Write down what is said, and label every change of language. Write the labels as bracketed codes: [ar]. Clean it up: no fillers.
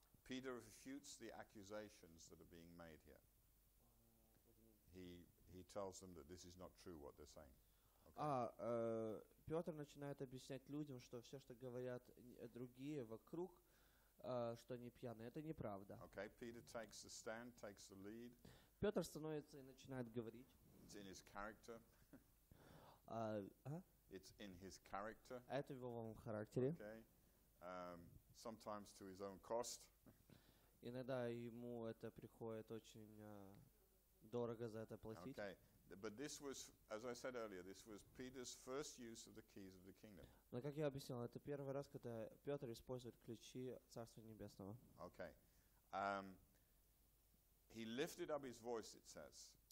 [en] Peter refutes the accusations that are being made here. He tells them that this is not true what they're saying. Okay. [ru] Петр начинает объяснять людям, что все, что говорят другие вокруг, что они пьяные, это неправда. [en] Okay, Peter takes the stand, takes the lead. [ru] Петр становится и начинает говорить. [en] It's in his character. It's in his character. [ru] Это в его характере. [en] Okay. sometimes to his own cost. [ru] Иногда ему это приходит очень дорого за это платить. [en] Okay. But this was, as I said earlier, this was Peter's first use of the keys of the kingdom. [ru] Но как я объяснил, это первый раз, когда Петр использует ключи Царства Небесного. [en] Okay. He lifted up his voice, it says.